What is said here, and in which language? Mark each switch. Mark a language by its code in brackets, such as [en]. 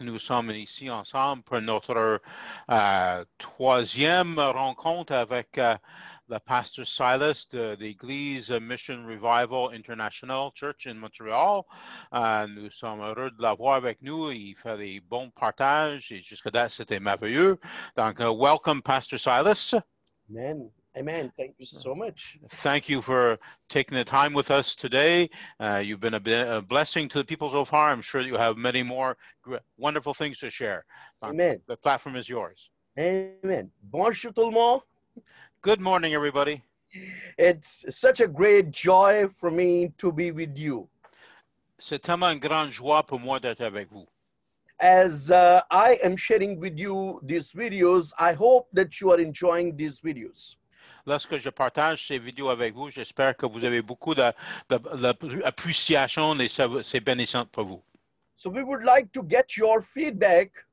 [fr] Nous sommes ici ensemble pour notre troisième rencontre avec le Pasteur Silas de l'Église Mission Revival International Church in Montréal. Nous sommes heureux de l'avoir avec nous. Il fait des bons partages et jusqu'à date, c'était merveilleux. Donc, [en] welcome, [fr] Pasteur Silas. [en] Amen. Amen. Thank you so much. Thank you for taking the time with us today. You've been a blessing to the people so far. I'm sure that you have many more wonderful things to share. Amen. The platform is yours. [fr] Amen. Bonjour tout le monde. [en] Good morning, everybody. It's such a great joy for me to be with you. [fr] C'est tellement une grande joie pour moi d'être avec vous. [en] As I am sharing with you these videos, I hope that you are enjoying these videos. [fr] Lorsque je partage ces vidéos avec vous, j'espère que vous avez beaucoup d'appréciation et c'est bénissant pour vous. [en] So we would like to get your feedback.